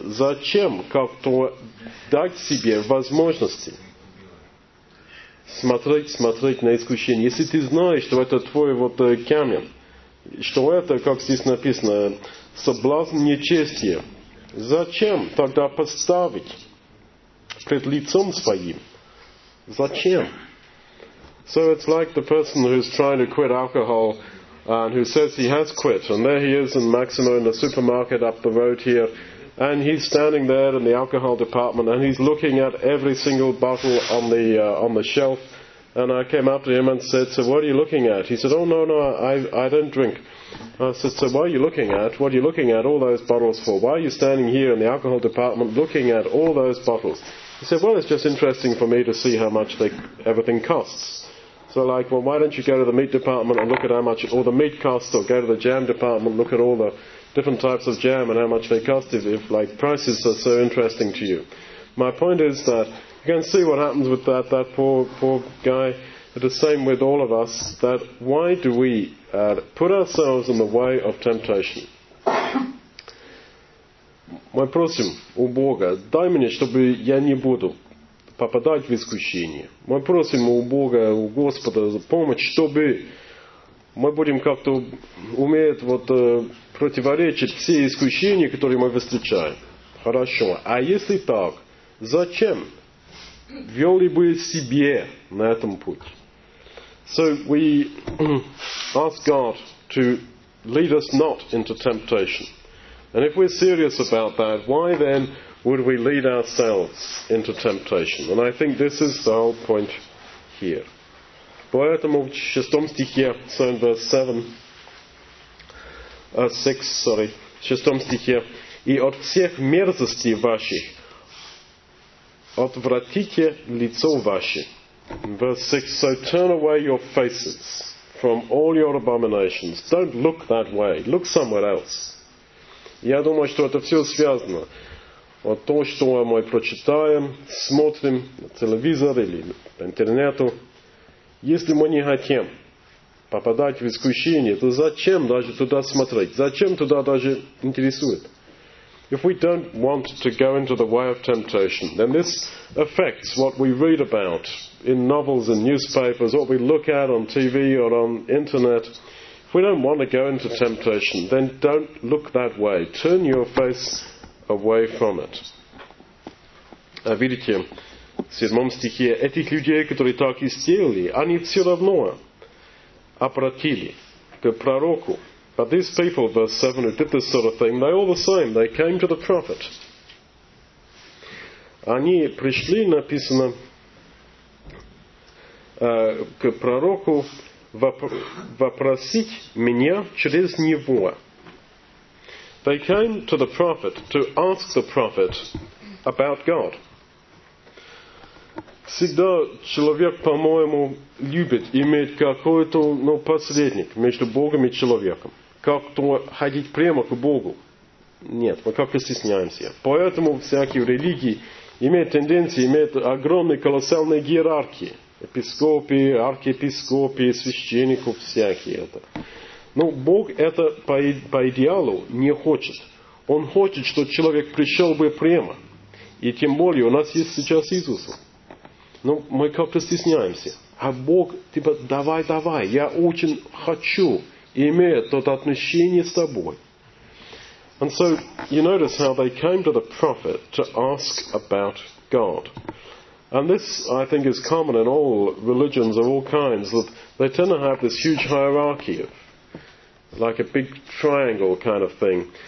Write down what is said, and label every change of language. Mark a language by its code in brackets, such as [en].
[ru] Зачем как-то дать себе возможности смотреть на искушение? Если ты знаешь, что это твой вот камень, что это, как здесь написано, соблазн нечестия, зачем тогда поставить пред лицом своим? Зачем? [en] So it's like the person who's trying to quit alcohol and who says he has quit, and there he is in Maximo in the supermarket up the road here, and he's standing there in the alcohol department, and he's looking at every single bottle on the shelf. And I came up to him and said, "So what are you looking at?" He said, "Oh no, I don't drink." I said, "So what are you looking at? What are you looking at all those bottles for? Why are you standing here in the alcohol department looking at all those bottles?" He said, "Well, it's just interesting for me to see how much everything costs." So like, well, why don't you go to the meat department and look at how much all the meat costs, or go to the jam department, look at all the different types of jam and how much they cost if like prices are so interesting to you. My point is that you can see what happens with that poor guy. The same with all of us, that why do we put ourselves in the way of temptation? [ru] Мы просим у Бога, дай мне, чтобы я не буду попадать в искушение. Мы просим у Бога, у Господа за помощь, чтобы мы будем как-то уметь противоречить все искушения, которые мы встречаем. Хорошо. А если так, зачем вел бы себе на этом пути? [en] So we ask God to lead us not into temptation. And if we're serious about that, why then would we lead ourselves into temptation? And I think this is the whole point here. [ru] Поэтому в шестом стихе, в шестом стихе, «И от всех мерзостей ваших отвратите лицо ваше». [en] Verse 6, «So turn away your faces from all your abominations. Don't look that way. Look somewhere else». [ru] Я думаю, что это все связано. Вот то, что мы прочитаем, смотрим на телевизор или по интернету. Если мы не хотим попадать в искушение, то зачем даже туда смотреть? Зачем туда даже интересует? [en] If we don't want to go into the way of temptation, then this affects what we read about in novels and newspapers, what we look at on TV or on the internet. If we don't want to go into temptation, then don't look that way. Turn your face away from it. [ru] А видите, в седьмом стихе, этих людей, которые так и сделали, они все равно обратили к пророку. [en] But these people, verse 7, who did this sort of thing, they all the same, they came to the prophet. [ru] Они пришли, написано, к пророку вопросить меня через него. [en] They came to the prophet to ask the prophet about God. [ru] Всегда человек, по-моему, любит иметь какой-то посредник между Богом и человеком. Как-то ходить прямо к Богу. Нет, мы как-то стесняемся. Поэтому всякие религии имеют тенденцию, имеют огромные колоссальные иерархии. Епископии, архиепископии, священников всякие. Но Бог это по идеалу не хочет. Он хочет, чтобы человек пришел бы прямо. И тем более у нас есть сейчас Иисус. Но мы как-то стесняемся. А Бог типа давай, я очень хочу имея то отношение с тобой. [en] And so, you notice how they came to the prophet to ask about God. And this, I think, is common in all religions of all kinds, that they tend to have this huge hierarchy, of, like a big triangle kind of thing.